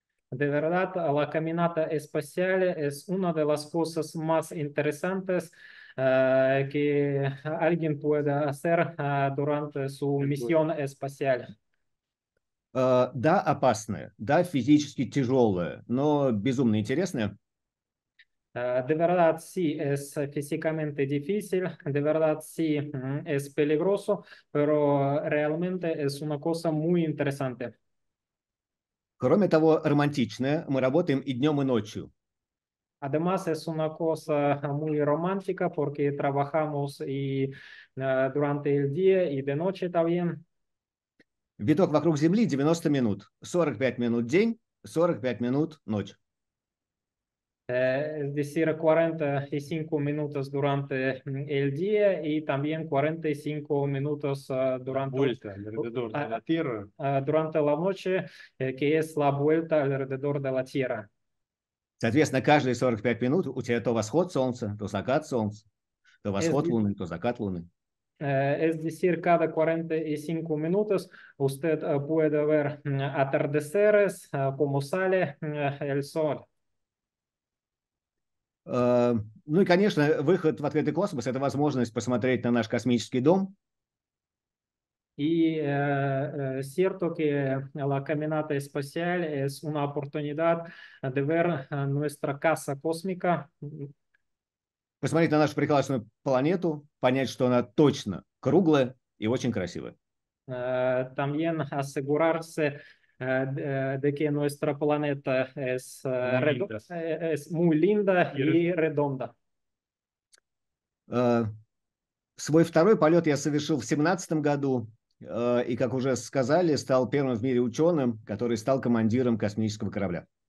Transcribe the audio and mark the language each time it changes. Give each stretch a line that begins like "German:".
Spanish: De verdad, la caminata espacial es una de las cosas más interesantes que alguien puede hacer durante su misión espacial.
Russian: Да, опасная, да, физически тяжелая, но безумно интересная.
Spanish: De verdad sí es físicamente difícil, de verdad sí es peligroso, pero realmente es una cosa muy interesante.
Russian: Кроме того, романтичная, мы работаем и днем, и ночью.
Spanish: Además es una cosa muy romántica porque trabajamos y durante el día y de noche también.
Russian: Виток вокруг Земли 90 минут, 45 минут день, 45 минут ночь.
Spanish: Es decir, 45 minutos durante el día y también 45 minutos durante la noche, que es la vuelta alrededor de la Tierra.
Russian: Соответственно, каждые 45 минут у тебя то восход солнца, то закат солнца, то восход луны, то закат луны.
Spanish: Es decir, cada 45 minutos usted puede ver atardeceres, como sale el sol.
Russian: Ну и, конечно, выход в открытый космос – это возможность посмотреть на наш космический дом.
Spanish: Y cierto que la caminata espacial es una oportunidad de ver nuestra casa cósmica.
Russian: Посмотреть на нашу прекрасную планету, понять, что она точно круглая и очень красивая.
Spanish: También asegurarse de que nuestra planeta es, es muy linda y redonda.
Russian: Свой второй полет я совершил в 17 году, и, как уже сказали, стал первым в мире ученым, который стал командиром космического корабля.